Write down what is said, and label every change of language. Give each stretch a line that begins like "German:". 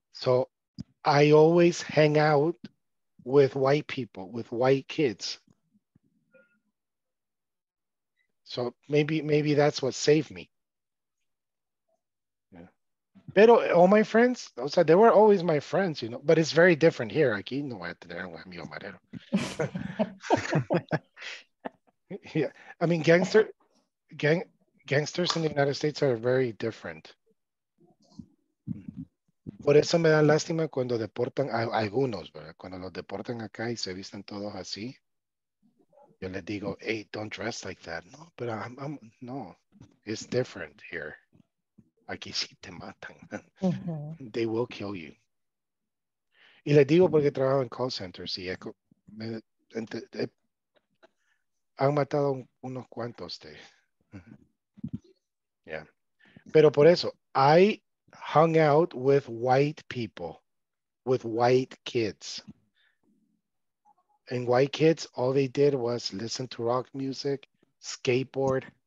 English: So I always hang out with white people, with white kids. So maybe that's what saved me. Pero all my friends,
Spanish: o sea,
English: they were always my friends, you know, but it's very different here.
Spanish: Aquí no voy a tener un amigo marero.
English: Yeah, I mean, gangsters in the United States are very different.
Spanish: Por eso me da lástima cuando deportan a algunos, ¿verdad? Cuando los deportan acá y se visten todos así. Yo les digo, hey,
English: don't dress like that. No, but I'm no, it's different here.
Spanish: Aquí sí te matan. Mm-hmm.
English: They will kill you.
Spanish: Y les digo porque trabajo en call centers y han matado unos cuantos de.
English: Yeah.
Spanish: Pero por eso,
English: I hung out with white people, with white kids. And white kids, all they did was listen to rock music, skateboard.